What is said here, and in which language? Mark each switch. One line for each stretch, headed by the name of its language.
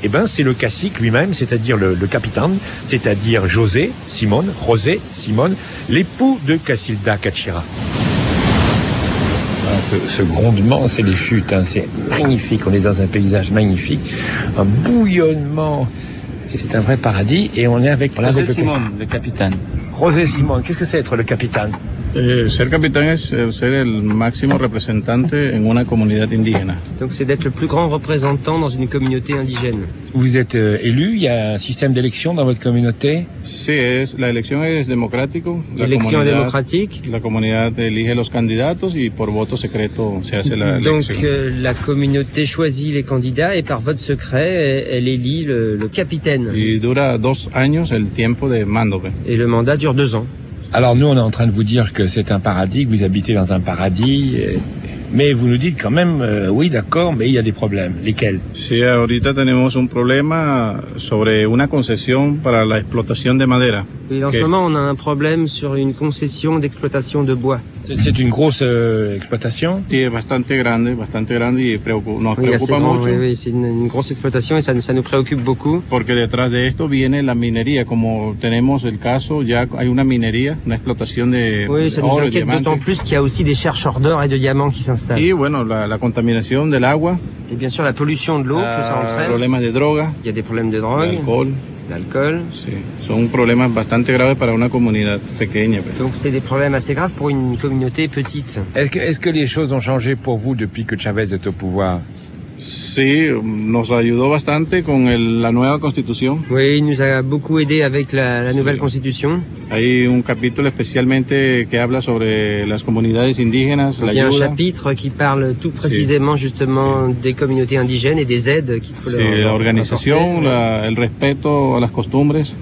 French: Et c'est le cacique lui-même, c'est-à-dire le capitaine, c'est-à-dire José Simone, l'époux de Casilda Cachira. Ce grondement, c'est les chutes, c'est magnifique, on est dans un paysage magnifique, un bouillonnement, c'est un vrai paradis, et on est avec José Simone, le capitaine. José Simone, qu'est-ce que c'est être le capitaine?
Spanish: Ser capitán es ser el máximo representante en una comunidad indígena.
French: Donc c'est d'être le plus grand représentant dans une communauté indigène. Vous êtes élu, il y a un système d'élection dans votre communauté?
Spanish: Sí, es, la elección es democrático.
French: L'élection est démocratique.
Spanish: La comunidad elige los candidatos y por voto secreto se hace la elección.
French: Donc la communauté choisit les candidats et par vote secret elle élit le capitaine.
Spanish: Y dura dos años el tiempo de mando.
French: Et le mandat dure deux ans. Alors nous, on est en train de vous dire que c'est un paradis, que vous habitez dans un paradis, mais vous nous dites quand même, oui, d'accord, mais il y a des problèmes. Lesquels?
Spanish: Sí, ahorita tenemos un problema sobre una concesión para la explotación de madera.
French: Oui, en ce moment, on a un problème sur une concession d'exploitation de bois. C'est une grosse exploitation?
Spanish: Sí, bastante grande y nos preocupa mucho.
French: Oui, oui, c'est une grosse exploitation et ça nous préoccupe beaucoup.
Spanish: Porque detrás de esto viene la minería, como tenemos el caso, ya hay una minería, una explotación de oro y diamantes.
French: Oui, ça nous inquiète d'autant plus qu'il y a aussi des chercheurs d'or et de diamants qui s'installent.
Spanish: Y bueno, la contaminación del agua.
French: Et bien sûr, la pollution de l'eau, que ça entraîne.
Spanish: Problemas de droga.
French: Il y a des problèmes de drogue. L'alcool. D'alcool.
Spanish: Sí. Son problemas bastante graves para una comunidad pequeña.
French: Donc c'est des problèmes assez graves pour une communauté petite. Est-ce que les choses ont changé pour vous depuis que Chavez est au pouvoir?
Spanish: Sí, nos ayudó bastante con la nueva constitución.
French: Oui, il nous a beaucoup aidé avec la nouvelle constitution.
Spanish: Hay un capítulo especialmente que habla sobre las comunidades indígenas.
French: Il y a un chapitre qui parle tout précisément justement des communautés indigènes et des aides qu'il faut leur apporter.
Spanish: La organización, el respeto a las costumbres.